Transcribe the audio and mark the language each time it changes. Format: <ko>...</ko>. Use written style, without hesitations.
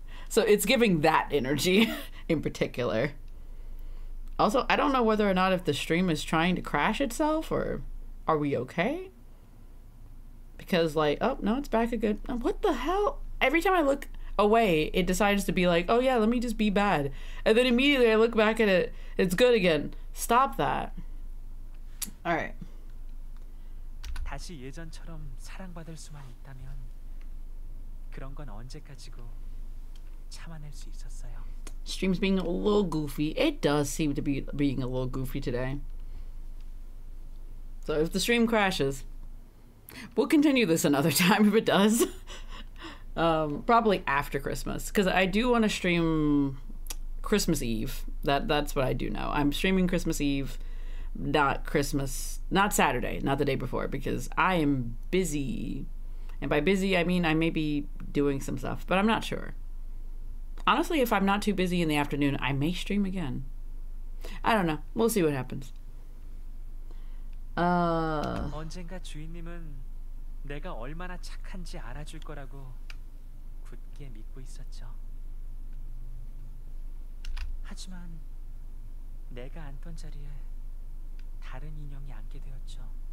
<en>So it's giving that energy in particular. Also, I don't know whether or not if the stream is trying to crash itself or are we okay? Because like, oh, no, it's back again. What the hell? Every time I look away, it decides to be like, oh yeah, let me just be bad. And then immediately I look back at it, it's good again. Stop that. All right.</en> <ko>다시 예전처럼 사랑받을 수만 있다면 그런 건 언제까지고 참아낼 수 있었어요.</ko> <en>Stream's being a little goofy. It does seem to be being a little goofy today. So if the stream crashes, we'll continue this another time if it does. probably after Christmas, because I do want to stream Christmas Eve. That's what I do know. I'm streaming Christmas Eve. Not Christmas, not Saturday, not the day before, because I am busy. And by busy, I mean I may be doing some stuff, but I'm not sure. Honestly, if I'm not too busy in the afternoon, I may stream again. I don't know. We'll see what happens.</en> <ko>언젠가 주인님은 내가 얼마나 착한지 알아줄 거라고 굳게 믿고 있었죠. 하지만 내가 앉던 자리에 다른 인형이 앉게 되었죠.</ko>